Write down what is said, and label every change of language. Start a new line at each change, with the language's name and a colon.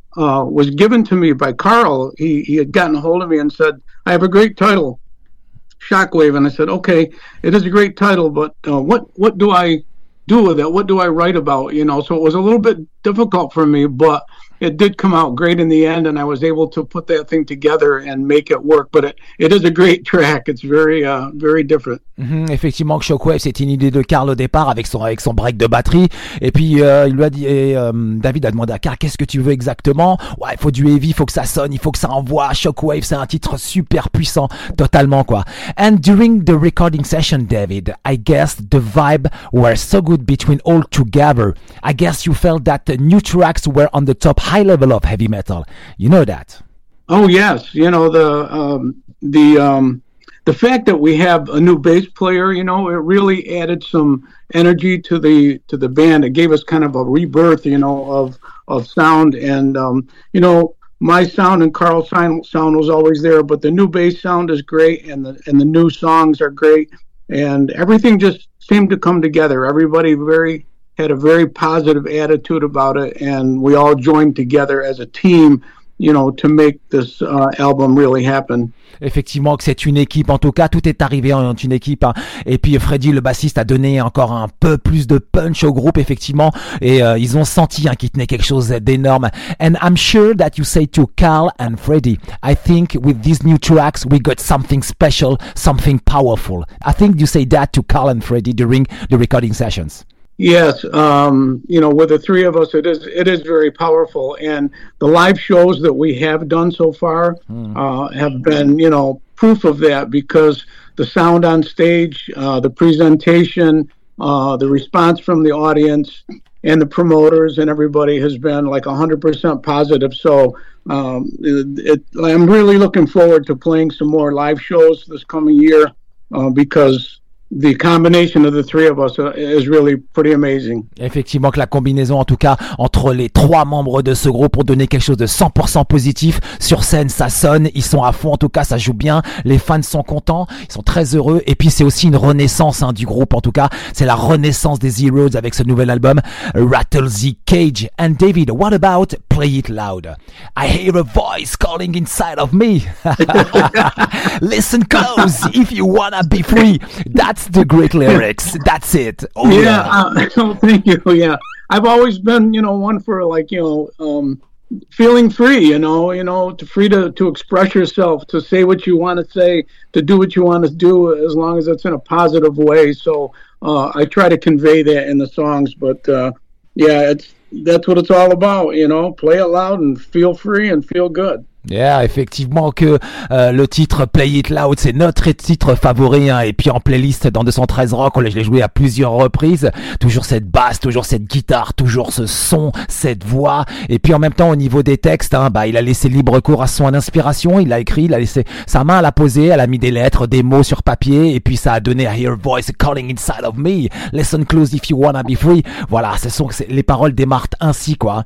English: was given to me by Carl. He had gotten a hold of me and said, I have a great title, Shockwave. And I said, okay, it is a great title, but what do I do with it? What do I write about? You know, so it was a little bit difficult for me, but it did come out great in the end, and I was able to put that thing together and make it work. But it is a great track. It's very, very different. Mm-hmm.
French: Effectivement, Shockwave, c'est une idée de Carl au départ avec son break de batterie. Et puis, il lui a dit, David a demandé à Carl, qu'est-ce que tu veux exactement? Ouais, il faut du heavy, il faut que ça sonne, il faut que ça envoie. Shockwave, c'est un titre super puissant, totalement, quoi.
English: And during the recording session, David, I guess the vibe were so good between all together. I guess you felt that the new tracks were on the top high level of heavy metal. You know that? Oh, yes. You know, the fact that we have a new bass player, you know, it really added some energy to the band. It gave us kind of a rebirth, you know, of sound. And, you know, my sound and Carl's sound was always there, but the new bass sound is great, and the new songs are great. And everything just seemed to come together. Everybody had a very positive attitude about it, and we all joined together as a team, you know, to make this album really happen.
French: Effectivement, que c'est une équipe. En tout cas, tout est arrivé en une équipe. Hein. Et puis Freddy, le bassiste, a donné encore un peu plus de punch au groupe, effectivement. Et ils ont senti qu'il tenait quelque chose d'énorme.
English: And I'm sure that you say to Carl and Freddy, I think with these new tracks, we got something special, something powerful. I think you say that to Carl and Freddy during the recording sessions. Yes, you know, with the three of us, it is very powerful, and the live shows that we have done so far have been, you know, proof of that, because the sound on stage, the presentation, the response from the audience and the promoters and everybody has been like 100% positive. So I'm really looking forward to playing some more live shows this coming year, because the combination of the three of us is really pretty amazing.
French: Effectivement, que la combinaison, en tout cas, entre les trois membres de ce groupe, pour donner quelque chose de 100% positif sur scène, ça sonne, ils sont à fond, en tout cas, ça joue bien, les fans sont contents, ils sont très heureux, et puis c'est aussi une renaissance du groupe, en tout cas, c'est la renaissance des Heroes avec ce nouvel album, Rattle the Cage.
English: And David, what about Play It Loud? I hear a voice calling inside of me. Listen close if you wanna be free. That's the great lyrics. That's it. Oh, yeah. Thank you. Yeah. I've always been, you know, one for like, you know, feeling free, you know, free to express yourself, to say what you want to say, to do what you want to do, as long as it's in a positive way. So I try to convey that in the songs. But yeah, that's what it's all about. You know, play it loud and feel free and feel good.
French: Yeah, effectivement que le titre Play It Loud, c'est notre titre favori, hein, et puis en playlist dans 213 Rock, je l'ai joué à plusieurs reprises, toujours cette basse, toujours cette guitare, toujours ce son, cette voix, et puis en même temps au niveau des textes, hein, bah, il a laissé libre cours à son inspiration, il a écrit, il a laissé sa main à la poser, elle a mis des lettres, des mots sur papier, et puis ça a donné
English: I hear a voice calling inside of me, listen close if you wanna be free,
French: voilà, ce sont les paroles démarrent ainsi, quoi.